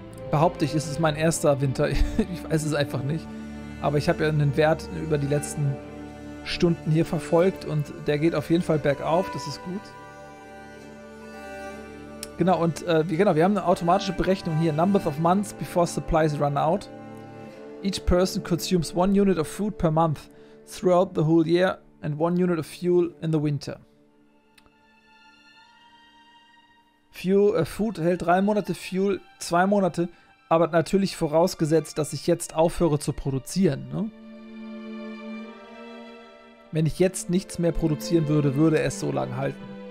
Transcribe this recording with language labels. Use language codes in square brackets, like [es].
[de] Behaupte ich, es ist mein erster Winter. Ich weiß es einfach nicht. Aber ich habe ja einen Wert über die letzten Stunden hier verfolgt und der geht auf jeden Fall bergauf. Das ist gut. Genau, und wir haben eine automatische Berechnung hier. [en] Number of months before supplies run out. Each person consumes one unit of food per month throughout the whole year and one unit of fuel in the winter. [de] Food hält 3 Monate, Fuel 2 Monate, aber natürlich vorausgesetzt, dass ich jetzt aufhöre zu produzieren. Ne? Wenn ich jetzt nichts mehr produzieren würde, würde es so lange halten.